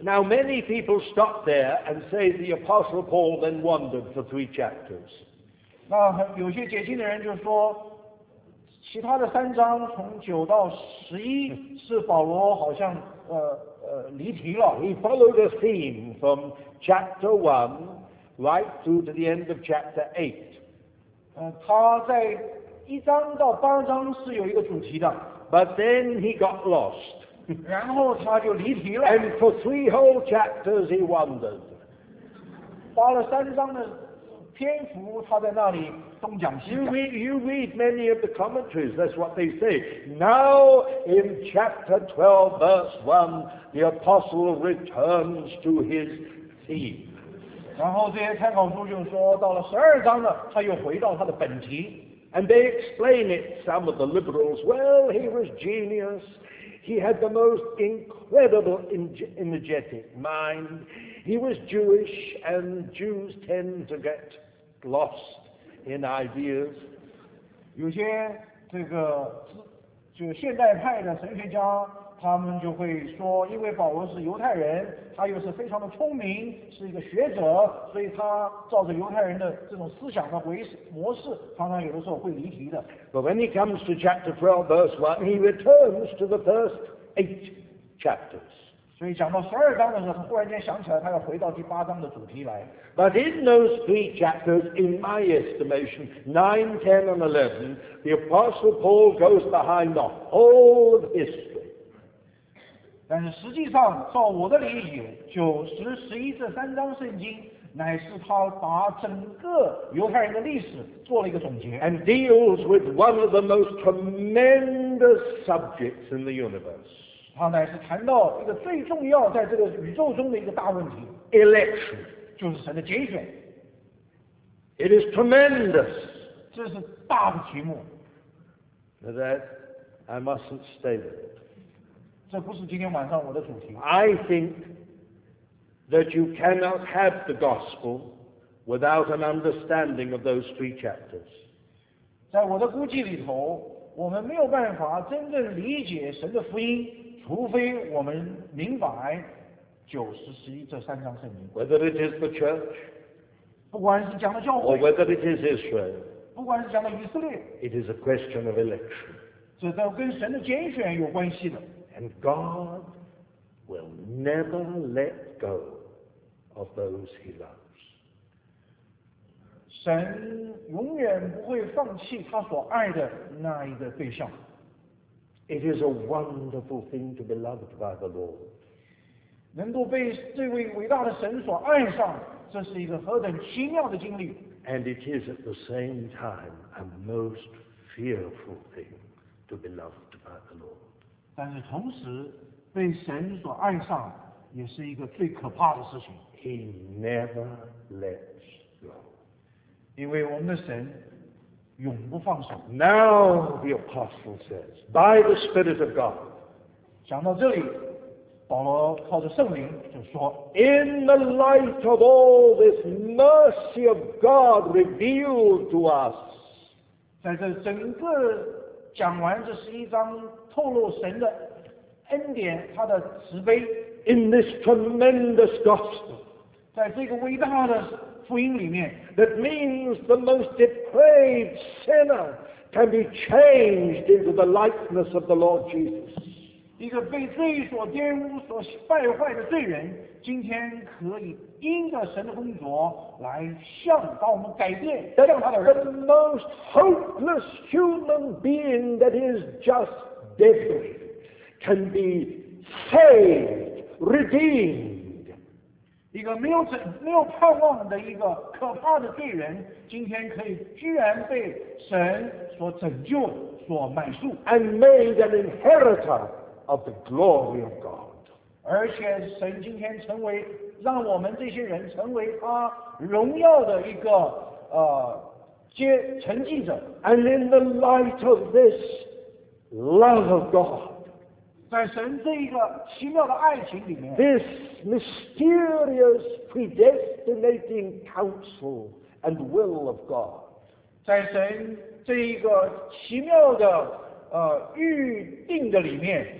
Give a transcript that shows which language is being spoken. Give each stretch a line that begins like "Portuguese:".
English: Now many people stop there and say the Apostle Paul then wandered for 3 chapters。
Chinese: 那有些解经的人就说，其他的三章从九到十一是保罗好像离题了。
English: He followed a theme from chapter one. Right through to the end of chapter 8.
Chinese: 他在一章到八章是有一个主题的。
English: But then he got lost.
Chinese: 然后他就离题了。
English: And for 3 whole chapters he wandered.
Chinese: 花了三章的篇幅他在那里东讲西讲。
English: You read many of the commentaries, that's what they say. Now in chapter 12 verse 1, the apostle returns to his theme.
Chinese: 然后这些参考书就说到了十二章呢他又回到他的本题。
English: And they explain it, some of the liberals, well, he was genius. He had the most incredible energetic mind. He was Jewish, and Jews tend to get lost in ideas.
Chinese: 有些这个就现代派的神学家他们就会说，因为保罗是犹太人，他又是非常的聪明，是一个学者，所以他照着犹太人的这种思想的模式，常常有的时候会离题的。
English: But when he comes to chapter 12, verse 1, he returns to the first 8 chapters.
Chinese: 所以讲到十二章的时候，他忽然间想起来，他要回到第八章的主题来。
English: But in those 3 chapters, in my estimation, 9, 10, and 11, the Apostle Paul goes behind the whole of history.
Chinese: 但是实际上照我的理解九十十一这三章圣经乃是他把整个犹太人的历史做了一个总结
English: and deals with one of the most tremendous subjects in the universe
Chinese: 他乃是谈到一个最重要在这个宇宙中的一个大问题
English: election
Chinese: 就是神的拣选
English: It is tremendous.
Chinese: 这是大的题目。
English: That I mustn't stay there.
Chinese: 这不是今天晚上我的主题。
English: I think that you cannot have the gospel without an understanding of those three chapters.
Chinese: 在我的估计里头，我们没有办法真正理解神的福音，除非我们明白九十十一这三章圣经。
English: Whether it is the church,
Chinese: 不管是讲的教会
English: or whether it is Israel,
Chinese: 不管是讲的以色列
English: it is a question of election.
Chinese: 这都跟神的拣选有关系的。
English: And God will never let go of those he loves.
Chinese: 神永远不会放弃他所爱的那一个对象。
English: It is a wonderful thing to be loved by the Lord.
Chinese: 能够被这位伟大的神所爱上，这是一个何等奇妙的经历。
English: And it is at the same time a most fearful thing to be loved by the Lord.
Chinese: 但是同时，被神所爱上也是一个最可怕的事情。
English: He never lets go.
Chinese: 因为我们的神永不放手。
English: Now the apostle says, by the Spirit of God.
Chinese: 讲到这里。保罗靠着圣灵就说
English: In the light of all this mercy of God revealed to us
Chinese: 在这整个讲完这十一章透露神的恩典他的慈悲
English: In this tremendous gospel
Chinese: 在这个伟大的福音里面
English: That means the most depraved sinner can be changed into the likeness of the Lord Jesus
Chinese: 一个被罪所玷污、所败坏的罪人，今天可以因着神的工作来向把我们改变，向他的人。
English: The most hopeless human being that is just different can be saved, redeemed.
Chinese: 一个没有盼望的一个可怕的罪人，今天可以居然被神所拯救、所买赎
English: ，and made an inheritor. Of the glory of God.
Chinese: 而且神今天成为让我们这些人成为他荣耀的一个承继者。
English: And in the light of this love of God,
Chinese: 在神这一个奇妙的爱情里面
English: this mysterious predestinating counsel and will of God,
Chinese: 在神这一个奇妙的预定的里面